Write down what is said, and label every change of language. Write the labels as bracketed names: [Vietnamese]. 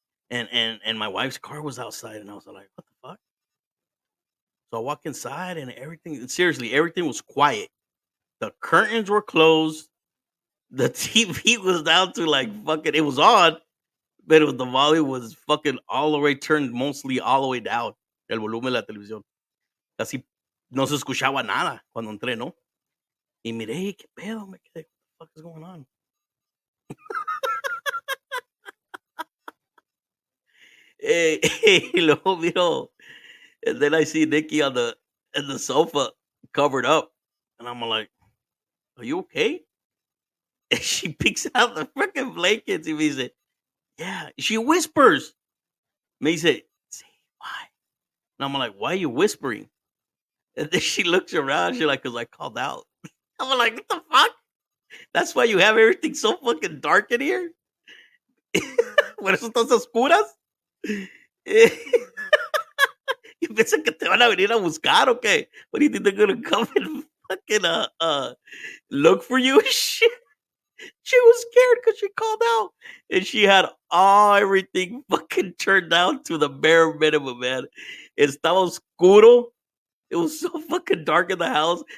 [English] And my wife's car was outside, and I was like, what the fuck? So I walk inside, and everything was quiet. The curtains were closed. The TV was down to, like, fucking, it was on, but the volume was fucking all the way turned, mostly all the way down. [Spanish] El volumen de la televisión. Casi no se escuchaba nada cuando entré, ¿no? Y miré, ¿qué pedo? Me quedé, [English] what the fuck is going on? Hey, [Spanish] lo miro. [English] And then I see Nikki on the sofa covered up. And I'm like, are you okay? And she picks out the freaking blankets and [Spanish] me dice, [English] yeah. She whispers. [Spanish] Me dice, [English] say why? And I'm like, why are you whispering? And then she looks around. She's like, because I called out. I'm like, what the fuck? That's why you have everything so fucking dark in here? [Spanish] ¿Por eso estás oscuras? ¿Y piensan que te van a venir a buscar o qué? [English] What do you think they're going to come and fucking look for you? She was scared because she called out. And she had all everything fucking turned down to the bare minimum, man. [Spanish] Estaba oscuro. [English] It was so fucking dark in the house.